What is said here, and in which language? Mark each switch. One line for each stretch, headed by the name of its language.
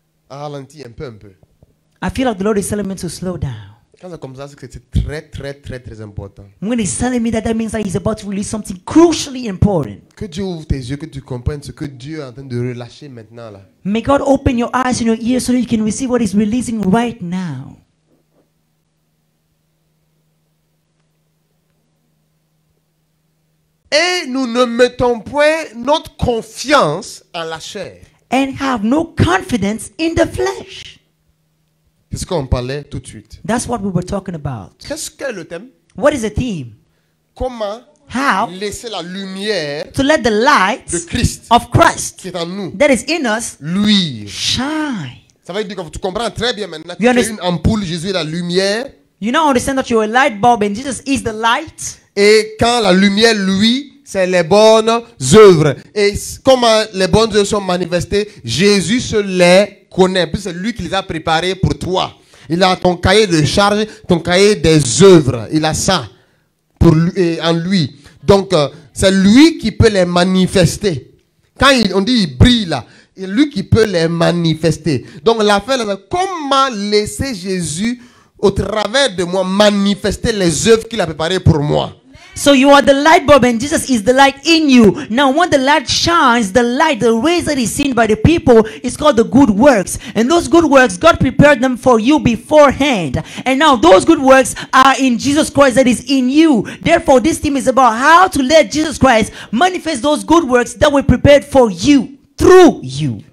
English: I feel like the Lord is telling me to slow down. When he's telling me that, that means that he's about to release something crucially important.
French: Que Dieu ouvre tes yeux, que tu comprennes ce que Dieu est en train de relâcher maintenant là.
English: May God open your eyes and your ears so that you can receive what he's releasing right now.
French: Et nous ne mettons point notre confiance en la chair.
English: And have no confidence in the flesh.
French: C'est ce qu'on parlait tout de suite.
English: That's what we were talking about.
French: Qu'est-ce qu'est le thème?
English: What is the theme?
French: Comment?
English: How?
French: Laisser la lumière.
English: To let the light
French: de Christ.
English: Of Christ.
French: Qui est en nous.
English: That is in us.
French: Lui.
English: Shine.
French: Ça veut dire que tu comprends très bien maintenant. Tu es une ampoule, Jésus est la lumière.
English: You now understand that you are a light bulb and Jesus is the light.
French: Et quand la lumière lui, c'est les bonnes œuvres. Et comment les bonnes œuvres sont manifestées? Jésus se les connaît, puis c'est lui qui les a préparés pour toi. Il a ton cahier de charges, ton cahier des œuvres. Il a ça pour lui, en lui. Donc, c'est lui qui peut les manifester. Quand on dit il brille là, et lui qui peut les manifester. Donc l'affaire, comment laisser Jésus au travers de moi manifester les œuvres qu'il a préparées pour moi?
English: So you are the light bulb and Jesus is the light in you. Now when the light shines, the light, the rays that is seen by the people is called the good works. And those good works, God prepared them for you beforehand. And now those good works are in Jesus Christ that is in you. Therefore, this theme is about how to let Jesus Christ manifest those good works that were prepared for you, through you.